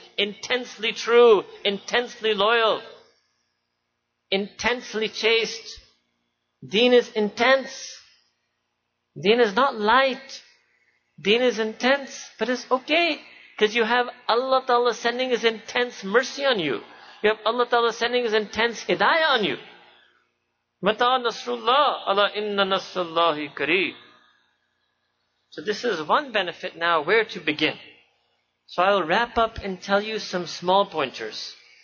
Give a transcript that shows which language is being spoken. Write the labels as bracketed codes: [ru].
[en] Intensely true, intensely loyal, intensely chaste. Deen is intense. Deen is not light. Deen is intense, but it's okay. Because you have Allah Ta'ala sending His intense mercy on you. You have Allah Ta'ala sending His intense hidayah on you. [ar] متى نصر الله, ألا إن نصر الله قريب. [en] So this is one benefit now, where to begin. So I'll wrap up and tell you some small pointers.